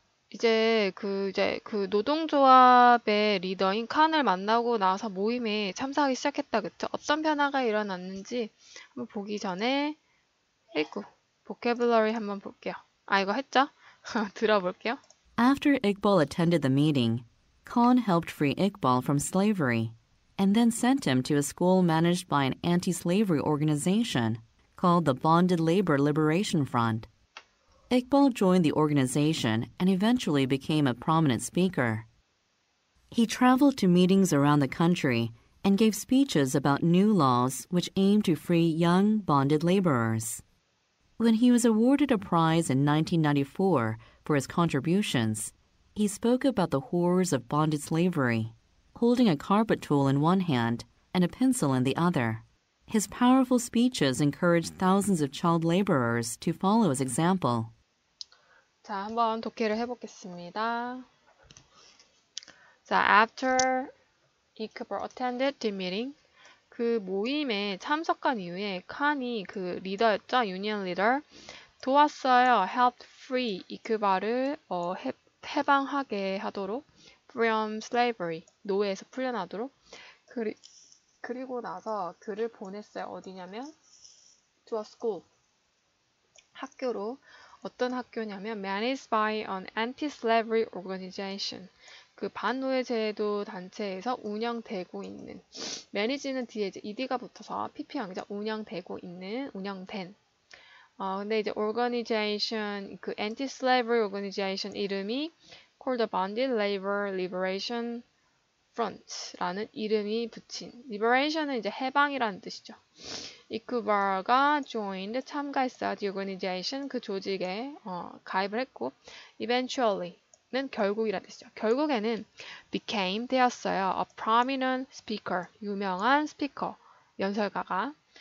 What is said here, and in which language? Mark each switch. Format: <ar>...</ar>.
<ko>이제 그 노동조합의 리더인 칸을 만나고 나서 모임에 참석하기 시작했다, 그쵸? 어떤 변화가 일어났는지 한번 보기 전에, 에이쿠, 보케뷸러리 한번 볼게요. 아, 이거 했죠? 들어볼게요.</ko> <en>After Iqbal attended the meeting, Khan helped free Iqbal from slavery and then sent him to a school managed by an anti-slavery organization called the Bonded Labor Liberation Front. Iqbal joined the organization and eventually became a prominent speaker. He traveled to meetings around the country and gave speeches about new laws which aimed to free young, bonded laborers. When he was awarded a prize in 1994, for his contributions, he spoke about the horrors of bonded slavery, holding a carpet tool in one hand and a pencil in the other. His powerful speeches encouraged thousands of child laborers to follow his example.</en> <ko>자, 한번 독해를 해보겠습니다. 자,</ko> <en>after Iqbal attended the meeting,</en> <ko>그 모임에 참석한 이후에 칸이 그 리더였죠,</ko> <en>union leader.</en> <ko>도왔어요.</ko> <en>Helped free</en> <ko>이큐바를 해방하게 하도록,</ko> <en>free from slavery</en> <ko>노예에서 풀려나도록. 그리고 나서 그를 보냈어요. 어디냐면</ko> <en>to a school</en> <ko>학교로. 어떤 학교냐면</ko> <en>managed by an anti-slavery organization,</en> <ko>그 반노예제도 단체에서 운영되고 있는. manage는 뒤에 이제 ed가 붙어서 pp형이죠. 운영되고 있는, 운영된. 근데 이제</ko> <en>organization, 그 anti-slavery organization 이름이 called the Bonded Labor Liberation Front라는</en> <ko>이름이 붙인. liberation은 이제 해방이라는 뜻이죠. Iqbal가 joined, 참가했어요.</ko> <en>the organization,</en> <ko>그 조직에 가입을 했고, eventually는 결국이라는 뜻이죠. 결국에는 became, 되었어요.</ko> <en>a prominent speaker,</en> <ko>유명한 스피커, 연설가가.</ko>